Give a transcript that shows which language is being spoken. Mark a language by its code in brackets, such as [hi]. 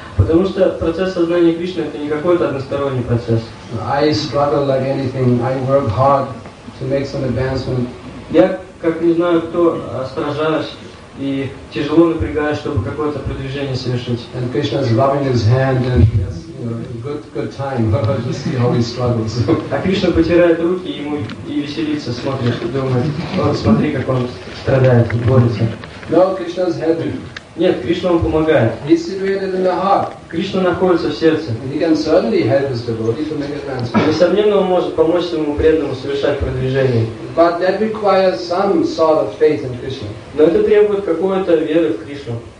[ru] Потому что процесс сознания Кришны — это не какой-то односторонний процесс. [en] I struggle like anything. I work hard to make some advancement. [ru] Я, как не знаю кто, сражаюсь и тяжело напрягаюсь, чтобы какое-то продвижение совершить. [en] And Krishna is rubbing his hand and yes, good time. Just see how he struggles. [ru] А Кришна потирает руки, ему и веселится, смотрит и думает: вот смотри, как он страдает, борется. [en] No, Krishna's helping. [ru] Нет, Кришна вам помогает. [en] He's situated in the heart. [ru] Кришна находится в сердце. [en] He can certainly help his devotee to make advancement. [ru] Несомненно, он может помочь своему преданному совершать продвижение. [en] But that requires some sort of faith in Krishna. [ru] Но это требует какой-то веры в Кришну.